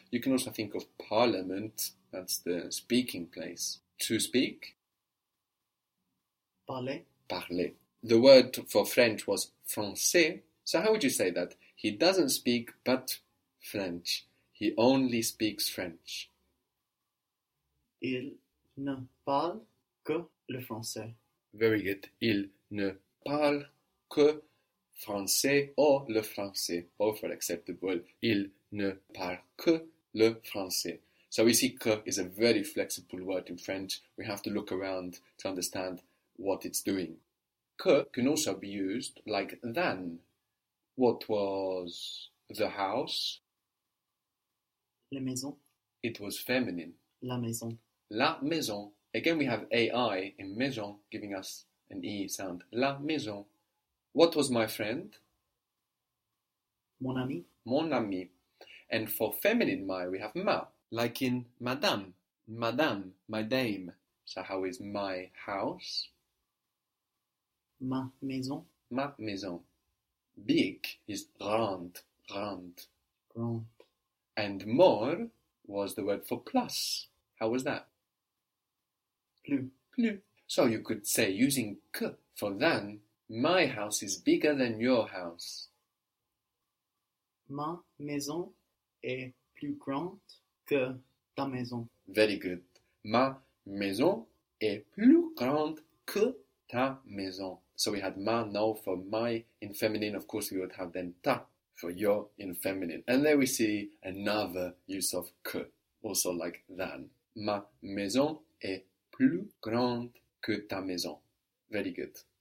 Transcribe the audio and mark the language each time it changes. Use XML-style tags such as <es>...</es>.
<en>You can also think of parliament, that's the speaking place. To speak?</en> <fr>Parler. Parler.</fr> <en>The word for French was français. So how would you say that? He doesn't speak but French. He only speaks French.</en> <fr>Il ne parle que le français.</fr> <en>Very good.</en> <fr>Il ne parle que français or le français.</fr> <en>Both are acceptable.</en> <fr>Il ne parle que le français.</fr> <en>So we see que is a very flexible word in French. We have to look around to understand what it's doing. Que can also be used like than. What was the house?</en> <fr>La maison.</fr> <en>It was feminine.</en> <fr>La maison. La maison.</fr> <en>Again, we have AI in maison giving us an E sound. La maison. What was my friend?</en> <fr>Mon ami. Mon ami.</fr> <en>And for feminine my, we have ma. Like in madame. Madame. My dame. So how is my house?</en> <fr>Ma maison.</fr> <en>Ma maison. Big is grand. Grand.</en> <fr>Grand.</fr> <en>And more was the word for plus. How was that?</en> <fr>Plus. Plus.</fr> <en>So you could say, using que for than, my house is bigger than your house.</en> <fr>Ma maison est plus grande que ta maison.</fr> <en>Very good.</en> <fr>Ma maison est plus grande que ta maison.</fr> <en>So we had ma now for my in feminine. Of course, we would have then ta for your in feminine. And there we see another use of que, also like than.</en> <fr>Ma maison est plus grande que ta maison.</fr> <en>Very good.</en>